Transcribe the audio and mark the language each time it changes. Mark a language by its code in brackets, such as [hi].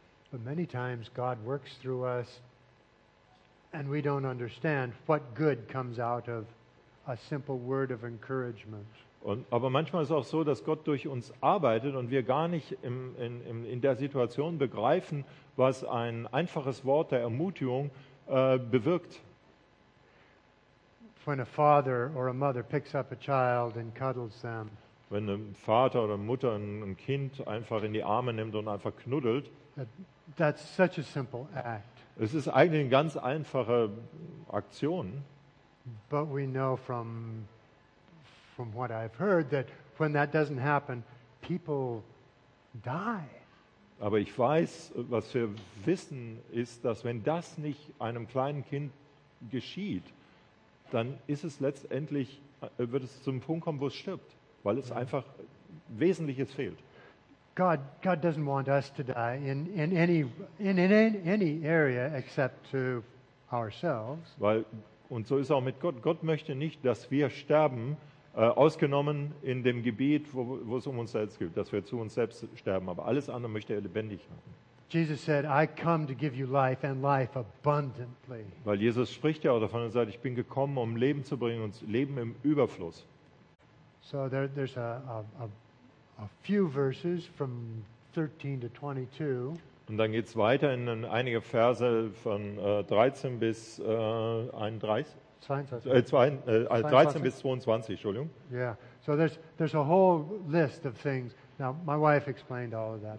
[en] But many times God works through us and we don't understand what good comes out of a simple word of encouragement. [de] Aber manchmal ist es auch so, dass Gott durch uns arbeitet und wir gar nicht in der Situation begreifen, was ein einfaches Wort der Ermutigung bewirkt. [en] When a father or a mother picks up a child and cuddles them. [de] Wenn ein Vater oder Mutter ein Kind einfach in die Arme nimmt und einfach knuddelt. [en] That's such a simple act. [de] Es ist eigentlich eine ganz einfache Aktion. [en] But we know from what I've heard that when that doesn't happen, people die. [de] Aber ich weiß, was wir wissen, ist, dass wenn das nicht einem kleinen Kind geschieht, dann ist es letztendlich, wird es zum Punkt kommen, wo es stirbt, weil es einfach Wesentliches fehlt. [en] God doesn't want us to die in any area except to ourselves. [de] Weil, und so ist auch mit Gott. Gott möchte nicht, dass wir sterben, ausgenommen in dem Gebiet, wo es um uns selbst geht, dass wir zu uns selbst sterben. Aber alles andere möchte er lebendig haben. [en] Jesus said, I come to give you life and life abundantly. [de] Weil Jesus spricht ja auch davon und sagt, ich bin gekommen, um Leben zu bringen und Leben im Überfluss. [en] So there's a few verses from 13 to 22. [de] Und dann geht's weiter in einige Verse von 13 bis 22, Entschuldigung. [en] Yeah. So there's a whole list of things. Now, my wife explained all of that.